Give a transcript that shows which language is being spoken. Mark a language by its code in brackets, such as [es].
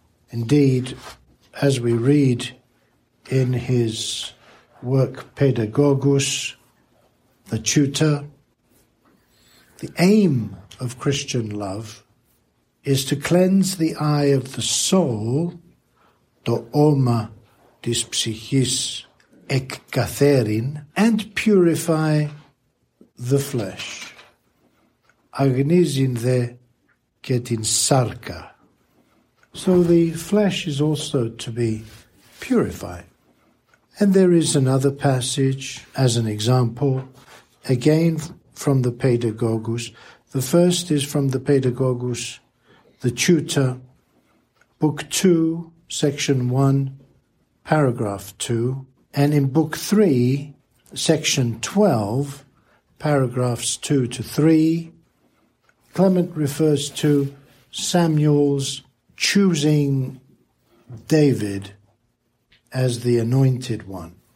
[en] Indeed, as we read in his work Pedagogus, The Tutor, the aim of Christian love is to cleanse the eye of the soul, [el] το όμα της ψυχής εκκαθέριν, [en] and purify the flesh. [el] Αγνίζειν δε και την σάρκα. [en] So the flesh is also to be purified. And there is another passage, as an example, again from the Pedagogus. The first is from the Pedagogus, The Tutor, Book 2, Section 1, Paragraph 2, and in Book 3, Section 12, Paragraphs 2 to 3, Clement refers to Samuel's choosing David as the anointed one.